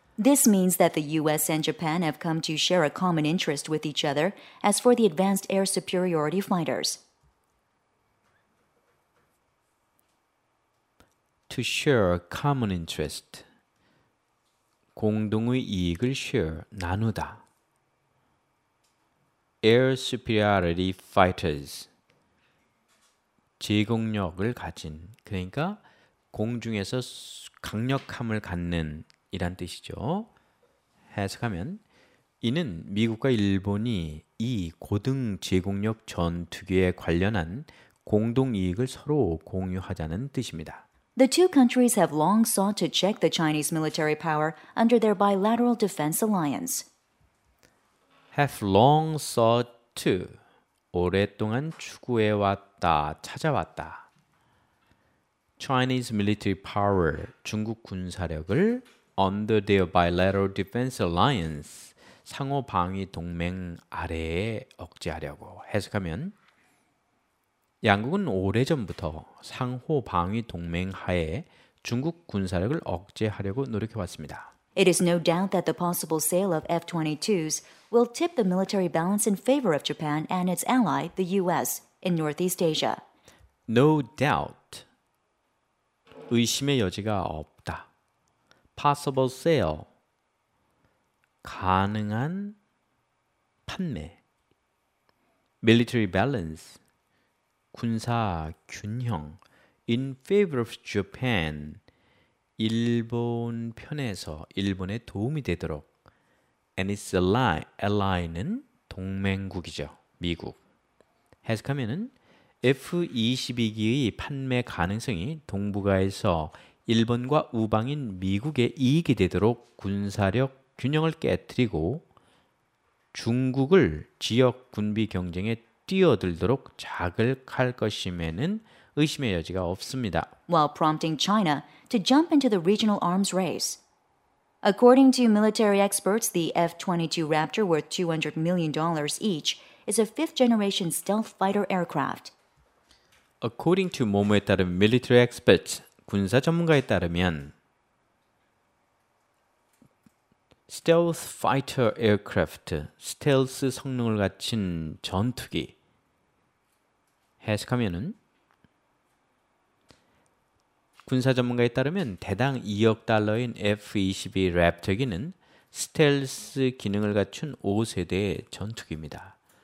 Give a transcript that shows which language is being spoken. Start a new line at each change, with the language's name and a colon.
English: This means that the US and Japan have come to share a common interest with each other as for the advanced air superiority fighters. To share a common interest.
Korean: 공동의 이익을 share, 나누다.
English: Air superiority fighters.
Korean: 제공력을 가진, 그러니까 공중에서 강력함을 갖는 이란 뜻이죠. 해석하면 이는 미국과 일본이 이 고등 제공력 전투기에 관련한 공동 이익을 서로 공유하자는 뜻입니다.
English: The two countries have long sought to check the Chinese military power under their bilateral defense alliance. Have long sought to
Korean: 오랫동안 추구해왔다, 찾아왔다.
English: Chinese military power,
Korean: 중국 군사력을
English: under their bilateral defense alliance,
Korean: 상호 방위 동맹 아래에 억제하려고 해석하면 양국은 오래전부터 상호 방위 동맹 하에 중국 군사력을 억제하려고 노력해왔습니다.
English: It is no doubt that the possible sale of F-22s will tip the military balance in favor of Japan and its ally, the U.S., in Northeast Asia. No doubt.
Korean: 의심의 여지가 없다.
English: Possible sale.
Korean: 가능한 판매.
English: Military balance.
Korean: 군사 균형.
English: In favor of Japan.
Korean: 일본 편에서 일본에 도움이 되도록
English: and its ally,
Korean: ally는 동맹국이죠. 미국. 해석하면은 F-22기의 판매 가능성이 동북아에서 일본과 우방인 미국의 이익이 되도록 군사력 균형을 깨뜨리고 중국을 지역 군비 경쟁에 뛰어들도록 자극할 것임에는 의심의 여지가 없습니다.
English: While prompting China to jump into the regional arms race. According to military experts, the F-22 Raptor worth $200 million each is a fifth-generation stealth fighter aircraft. According to
Korean: 모모에 따른
English: military experts,
Korean: 군사 전문가에 따르면
English: stealth fighter aircraft,
Korean: 스텔스 성능을 갖춘 전투기 해석하면은 군사 전문가에 따르면 대당 2억 달러인 F-22 랩터기는 스텔스 기능을 갖춘 5세대의 전투기입니다.